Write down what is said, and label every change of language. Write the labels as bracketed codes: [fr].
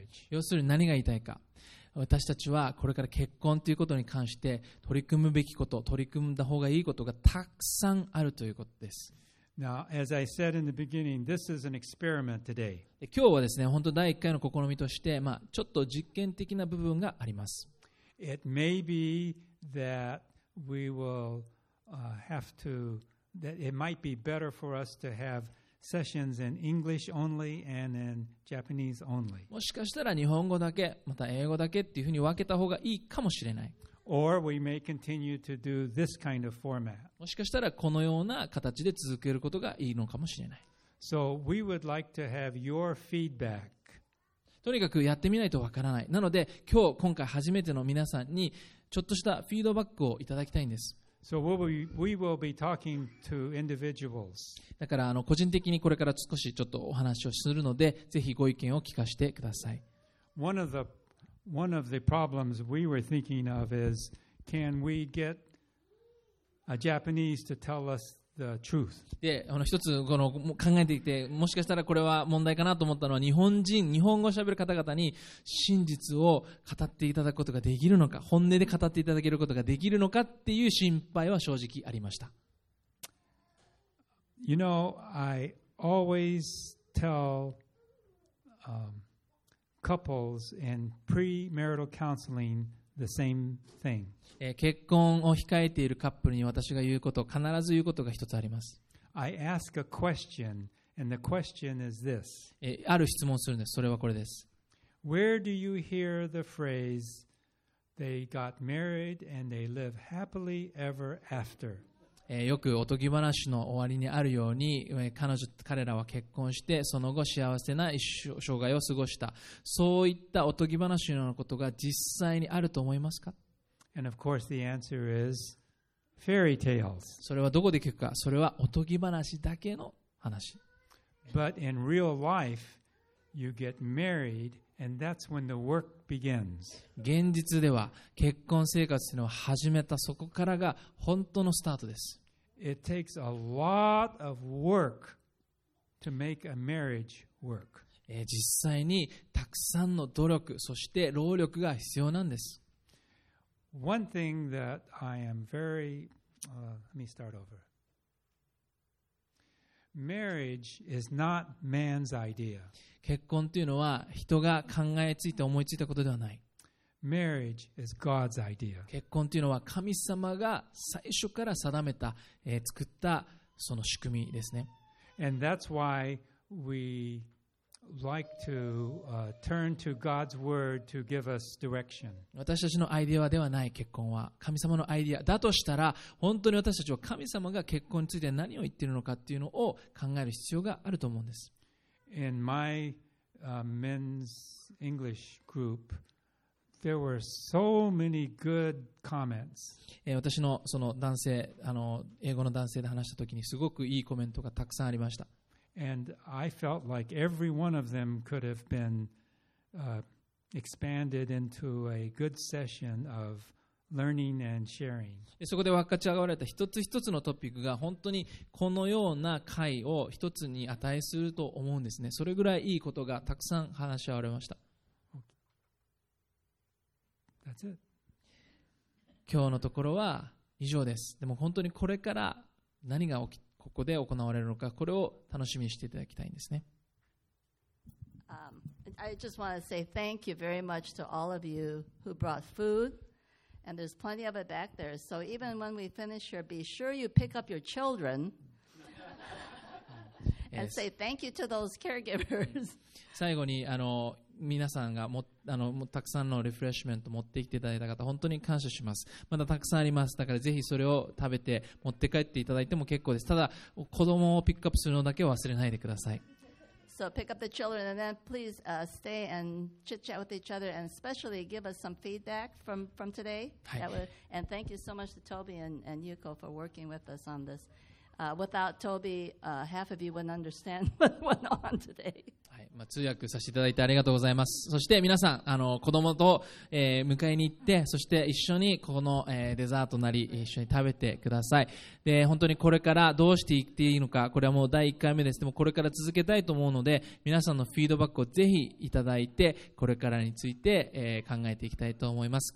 [ja] 要するに何が言いたいか、私たちはこれから結婚ということに関して取り組むべきこと、取り組んだ方がいいことがたくさんあるということです。 [en] Now, as I said in the beginning, this is an experiment today. [ja] 今日はですね、本当第一回の試みとして、まあ、ちょっと実験的な部分があります。 [en] It may be that we will have to, that it might be better for us to haveSessions in English only and in Japanese only. [ja] もしかしたら日本語だけ、また英語だけっていうふうに分けた方がいいかもしれない。 [en] Or we may continue to do this kind of format. [ja] もしかしたらこのような形で続けることがいいのかもしれない。 [en] So we would like to have your feedback. [ja] とにかくやってみないとわからない。なので今日今回初めての皆さんにちょっとしたフィードバックをいただきたいんです。 [en] So we will be talking to individuals. [ja] だからあの個人的にこれから少しちょっとお話をするので、ぜひご意見を聞かせてください。 [en] One of the problems we were thinking of is, can we get a Japanese to tell us the truth? [ja] で、あの一つこの考えていて、もしかしたらこれは問題かなと思ったのは、日本人、日本語を喋る方々に真実を語っていただくことができるのか、本音で語っていただけることができるのかっていう心配は正直ありました。 [en] You know, I always tell couples in pre-marital counseling the same thing. [ja] 結婚を控えているカップルに私が言うこと、必ず言うことが一つあります。 [en] I ask a question, and the question is this. [ja] ある質問をするんです。それはこれです。 [en] Where do you hear the phrase, they got married and they live happily ever after? [ja] よくおとぎ話の終わりにあるように、彼女彼らは結婚して、その後幸せな一生涯を過ごした。そういったおとぎ話のことが実際にあると思いますか？ [en] And of course the answer is fairy tales. [ja] それはどこで聞くか？それはおとぎ話だけの話。 [en] But in real life, you get married, and that's when the work begins. [ja] 現実では結婚生活というのを始めた、そこからが本当のスタートです。 [en] It takes a lot of work to make a marriage work. [ja] 実際にたくさんの努力、そして労力が必要なんです。 [en] One thing that I am very, let me start over. Marriage is not man's idea. [ja] 結婚というのは人が考えついて思いついたことではない。 [en] Marriage is God's idea. [ja] 結婚というのは神様が最初から定めた、作ったその仕組みですね。 [en] And that's why we like to turn to God's word to give us direction. [ja] 私たちのアイデアではない、結婚は神様のアイデアだとしたら、本当に私たちは神様が結婚について何を言っているのかっていうのを考える必要があると思うんです。 [en] In my men's English group, there were so many good comments. [ja] 私のその男性、英語の男性で話したときにすごくいいコメントがたくさんありました。 [en] And I felt like every one of them could have been expanded into a good session of learning and sharing. [ja] そこで分かち合われた一つ一つのトピックが本当にこのような会を一つに値すると思うんですね。それぐらいいいことがたくさん話し合われました。 [en] That's it. [ja] 今日のところは以上です。でも本当にこれから何が起きここで行われるのか、これを楽しみにしていただきたいんですね。 [en] I just want to say thank you very much to all of you who brought food, and there's plenty of it back there. So even when we finish here, be sure you pick up your children and say thank you to those caregivers. [ja] 最後に皆さんがたくさんのリフレッシュメント持ってきていただいた方、本当に感謝します。まだたくさんあります。だからぜひそれを食べて持って帰っていただいても結構です。ただ子供をピックアップするのだけは忘れないでください。 [en] So pick up the children and then please stay and chit chat with each other and especially give us some feedback from today. And thank you so much to Toby and Yuko for working with us on this. Without Toby, half of you wouldn't understand what went on today. [ja] まあ、通訳させていただいてありがとうございます。そして皆さん子供と、迎えに行って、そして一緒にこの、デザートなり一緒に食べてください。で本当にこれからどうしていっていいのか、これはもう第1回目です。でもこれから続けたいと思うので、皆さんのフィードバックをぜひいただいて、これからについて、考えていきたいと思います。